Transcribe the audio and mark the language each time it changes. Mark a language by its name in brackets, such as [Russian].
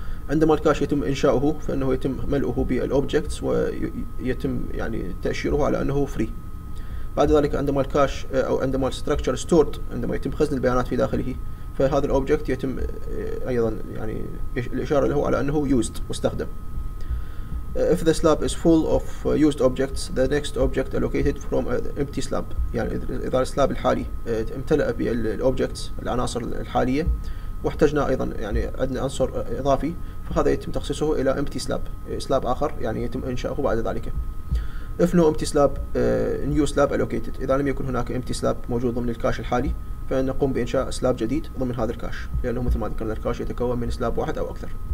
[Arabic] عندما الكاش يتم انشاؤه فانه يتم ملؤه بالاوبجكتس ويتم يعني تاشيره على انه فري. بعد ذلك عندما الكاش او عندما [English] الستراكشر ستورد، [Arabic] عندما يتم خزن البيانات في داخله، فهذا الاوبجكت يتم ايضا يعني الاشاره له على انه يوزد واستخدم. [English] If the slab is full of used objects, the next object allocated from an empty slab. [Arabic] يعني اذا السلاب الحالي امتلأ بالاوبجكتس العناصر الحاليه واحتجنا ايضا يعني عندنا عنصر اضافي، فهذا يتم تخصيصه الى [English] empty slab، [Arabic] سلاب اخر يعني يتم انشاؤه بعد ذلك. [English] If no empty slab, new slab allocated. [Arabic] اذا لم يكن هناك [English] empty slab [Arabic] موجود ضمن الكاش الحالي، فنقوم بانشاء سلاب جديد ضمن هذا الكاش، لانه مثل ما ذكرنا الكاش يتكون من سلاب واحد او اكثر.